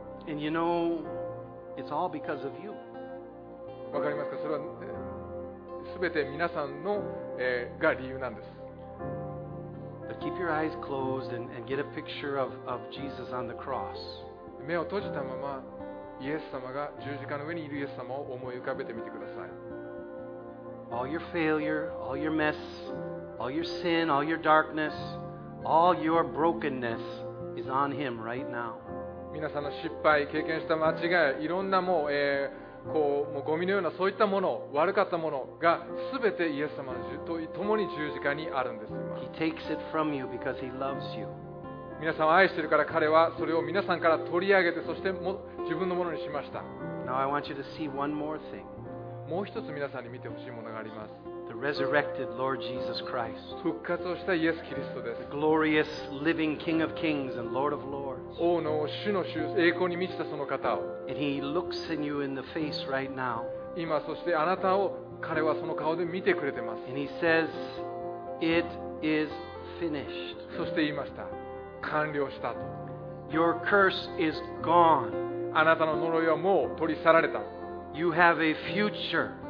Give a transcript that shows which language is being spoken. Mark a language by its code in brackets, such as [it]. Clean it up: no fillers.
[en] And you know, it's all because of you. [ja] わかりますか？それは、すべて皆さんの、が理由なんです。 [en] But keep your eyes closed and get a picture of Jesus on the cross. [ja] 目を閉じたままイエス様が十字架の上にいるイエス様を思い浮かべてみてください。 [en] All your failure, all your mess, all your sin, all your darkness, all your brokenness is on him right now. [ja] 皆さんの失敗、経験した間違い、いろんなもう、こうもうゴミのようなそういったもの、悪かったものが全てイエス様と共に十字架にあるんです。 [en] He takes it from you because he loves you. [ja] 皆さんを愛しているから彼はそれを皆さんから取り上げてそしても自分のものにしました。 [en] Now I want you to see one more thing. [ja] もう一つ皆さんに見てほしいものがあります。 [en] The resurrected Lord Jesus Christ. [ja] 復活をしたイエス・キリストです。 [en] The glorious living King of Kings and Lord of Lords. [ja] 王の主の主、栄光に満ちたその方を。 [en] And he looks in you in the face right now. [ja] 今そしてあなたを彼はその顔で見てくれてます。 [en] And he says, "It is finished." [ja] そして言いました。完了したと。 [en] Your curse is gone. [ja] あなたの呪いはもう取り去られた。 [en] You have a future.